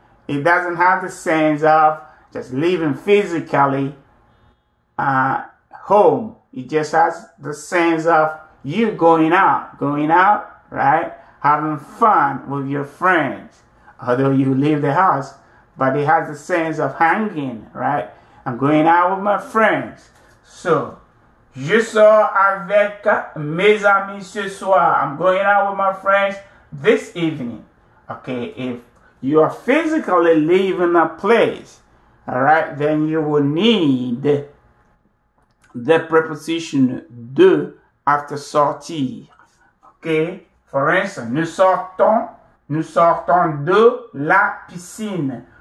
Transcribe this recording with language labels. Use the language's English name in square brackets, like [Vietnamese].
[English] It doesn't have the sense of just leaving physically home. It just has the sense of you going out, right? Having fun with your friends. Although you leave the house, but it has the sense of hanging, right? I'm going out with my friends. [French] So, je sors avec mes amis ce soir. [English] I'm going out with my friends this evening. Okay, if you are physically leaving a place, all right, then you will need the preposition de after sortir. Okay, for instance, [French] nous sortons de la piscine.